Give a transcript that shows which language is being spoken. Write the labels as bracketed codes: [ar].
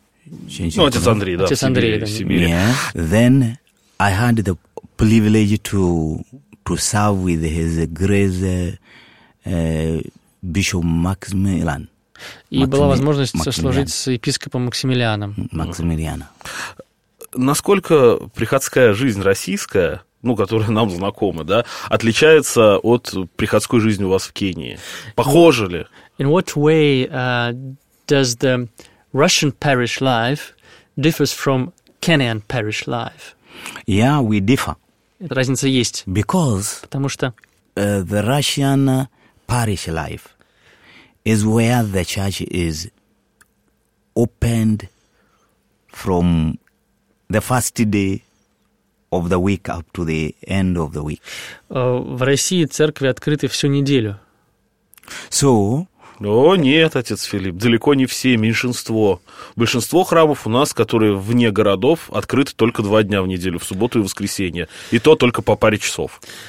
[ru] Ну, отец Андрей, да, в Сибири. [en] Yeah. Then I had the privilege to serve with his grace Bishop Maximilian. [ru] И была возможность служить с епископом Максимилианом. Максимилиана. Насколько приходская жизнь российская, ну, которая нам знакома, да, отличается от приходской жизни у вас в Кении? Похоже ли? [en] In what way does the Russian parish life differs from Kenyan parish life? Yeah, we differ. [ru] Эта разница есть. [en] Because [ru] потому что [en] the Russian parish life is where the church is opened from the first day of the week up to the end of the week. [ru] В России церкви открыты всю неделю. [en] So, [ru] О, нет, отец Филипп, далеко не все, меньшинство. Большинство храмов у нас, которые вне городов, открыты только 2 дня в неделю, в субботу и воскресенье. И то только по паре часов.